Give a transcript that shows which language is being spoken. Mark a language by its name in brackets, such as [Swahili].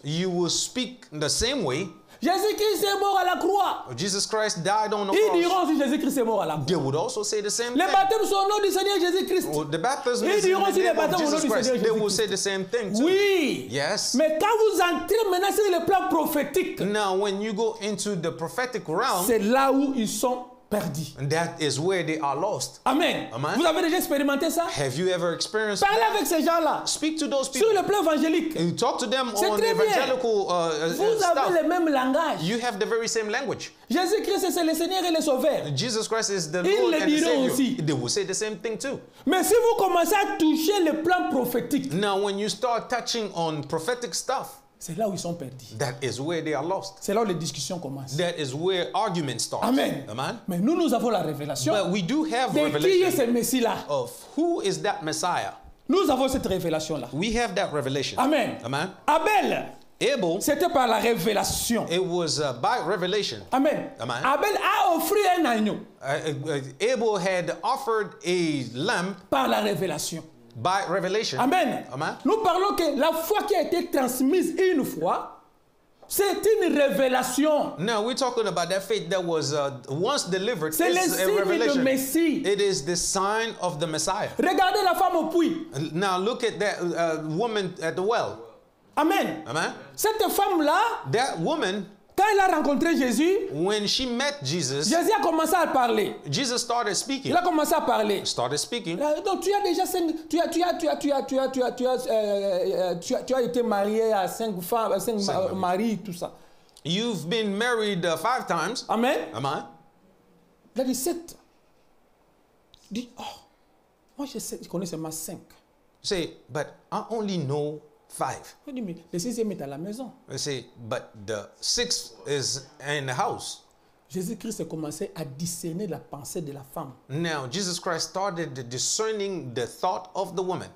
[English] You will speak the same way. [French] Jésus-Christ est mort à la croix. [English] Jesus Christ died on the cross. [French] Ils diront si Jésus-Christ est mort à la croix. [English] They would also say the same thing. [French] Les baptêmes sont au nom du Seigneur Jésus-Christ. [English] The baptism is in the name of Jesus Christ. They will say the same thing too. [French] Oui. [English] Yes. [French] Mais quand vous entrez maintenant sur le plan prophétique. [English] Now when you go into the prophetic realm. [French] C'est là où ils sont perdus. [English] And that is where they are lost. [French] Amen. [English] Amen. [French] Vous avez déjà expérimenté ça? [English] Have you ever experienced? [French] Parlez avec ces gens-là. [English] Speak to those people. [French] Sur le plan évangélique. [English] And you talk to them. [French] C'est on très [English] evangelical stuff. [French] Vous avez le même langage. [English] You have the very same language. [French] Jésus-Christ est le Seigneur et le Sauveur. [English] Jesus Christ is the [French] Ils [English] Lord [French] le [English] and the Savior. [French] Aussi. [English] They will say the same thing too. [French] Mais si vous commencez à toucher le plan prophétique. [English] Now when you start touching on prophetic stuff. [French] C'est là où ils sont perdus. [English] That is where they are lost. [French] C'est là où les discussions commencent. [English] That is where arguments start. [French] Amen. [English] Amen. [French] Mais nous avons la révélation. [English] But we do have revelation. [French] De qui est ce Messie-là? [English] Of who is that Messiah? [French] Nous avons cette révélation-là. [English] We have that revelation. [French] Amen. [English] Amen. [French] Abel. [English] Abel. [French] C'était par la révélation. [English] It was by revelation. [French] Amen. [English] Amen. [French] Abel a offert un agneau. [English] Abel had offered a lamb. [French] Par la révélation. [English] By revelation. [French] Amen. [English] Amen. [French] Nous parlons que la foi qui a été transmise une fois, c'est une révélation. [English] Now we're talking about that faith that was once delivered. [French] C'est le signe du Messie. [English] It is the sign of the Messiah. [French] Regardez la femme au puits. [English] Now look at that woman at the well. [French] Amen. [English] Amen. [French] Cette femme là. [English] That woman. [French] Quand elle a rencontré Jésus, [English] when she met Jesus, [French] Jésus a commencé à parler. [English] Jesus started speaking. [French] Il a commencé à parler. [English] Started speaking. [French] Donc tu as déjà cinq, tu as été marié à cinq maris, tout ça. [English] You've been married five times. [French] Amen. [English] Amen. [French] Là, il sept. Dit, oh, moi je sais, je connais seulement cinq. [English] Say, but I only know. Five. [French] Oui, mais le sixième est à la maison. [English] Say, but the sixth is in the house. [French] Jésus-Christ a commencé à discerner la pensée de la femme. [English] Now, Jesus Christ started discerning the thought of the woman.